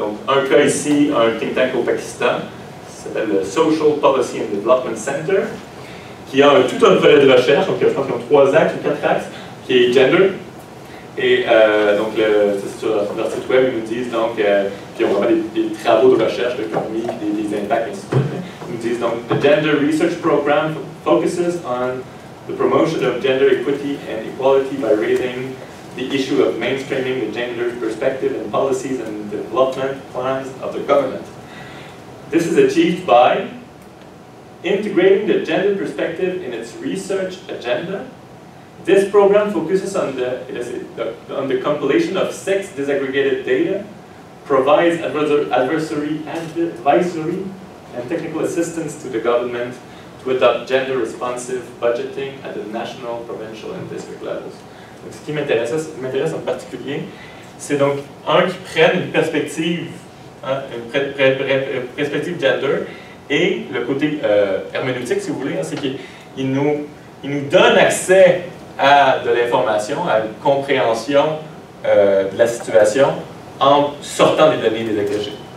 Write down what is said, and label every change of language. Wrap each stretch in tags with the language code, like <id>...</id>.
<fr>Donc, un cas ici, un think tank au Pakistan, qui s'appelle le Social Policy and Development Center, qui a tout un volet de recherche, donc je pense qu'ils ont trois axes ou quatre axes, qui est gender. Et donc, c'est sur leur site web, ils nous disent donc, puis on va avoir des travaux de recherche, de permis, des impacts, etc. Ils nous disent donc,</fr> <en>the gender research program focuses on the promotion of gender equity and equality by raising the issue of mainstreaming the gender perspective in policies and development plans of the government. This is achieved by integrating the gender perspective in its research agenda. This program focuses on the compilation of sex disaggregated data, provides advisory and technical assistance to the government to adopt gender responsive budgeting at the national, provincial and district levels.</en> <fr>Donc, ce qui m'intéresse en particulier, c'est donc un qui prenne une perspective, hein, une perspective gender. Et le côté herméneutique, si vous voulez, hein, c'est qu'il nous donne accès à de l'information, à une compréhension de la situation en sortant des données des agrégés.</fr>